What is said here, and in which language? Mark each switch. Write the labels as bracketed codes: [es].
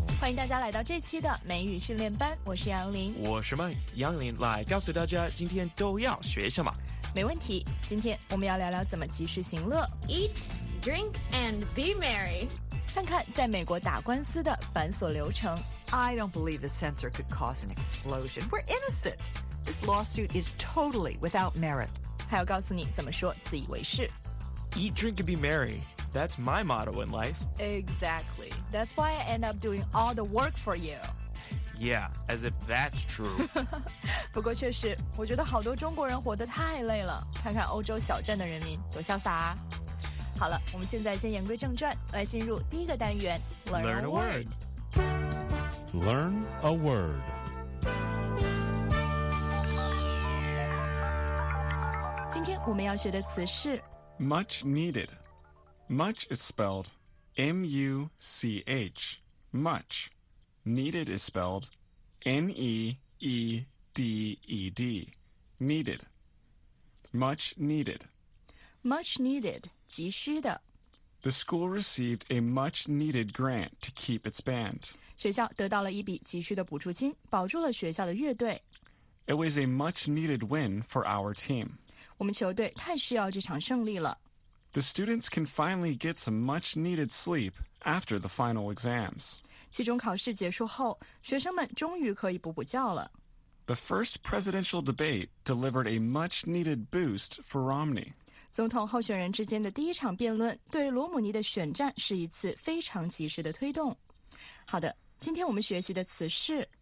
[zh] 迎大家来到这期的美语训练班，我是杨林。我是麦杨林，来告诉大家今天都要学什么。没问题，今天我们要聊聊怎么及时行乐。 [en] Eat, drink and be merry。 [zh] 看看在美国打官司的繁琐流程。 [en] I don't believe the sensor could cause an explosion. We're innocent. This lawsuit is totally without merit. [zh] 还要告诉你怎么说自以为是。 [en] Eat, drink and be merry. That's my motto in life. Exactly. That's why I end up doing all the work for you. Yeah, as if that's true. [zh] 不过确实，我觉得好多中国人活得太累了。看看欧洲小镇的人民多潇洒啊。好了，我们现在先言归正传，来进入第一个单元 [en] Learn a word. Learn a word. [zh] 今天我们要学的词是 [en] Much needed. Much is spelled M-U-C-H, much. Needed is spelled N-E-E-D-E-D, needed. Much needed. Much needed, [zh] 急需的。 [en] The school received a much needed grant to keep its band. [zh] 学校得到了一笔急需的补助金，保住了学校的乐队。 [en] It was a much needed win for our team. [zh] 我们球队太需要这场胜利了。 [en] The students can finally get some much-needed sleep after the final exams. [zh] 期中考试结束后，学生们终于可以补补觉了。 [en] The first presidential debate delivered a much-needed boost for Romney. [zh] 总统候选人之间的第一场辩论对罗姆尼的选战是一次非常及时的推动。好的，今天我们学习的词是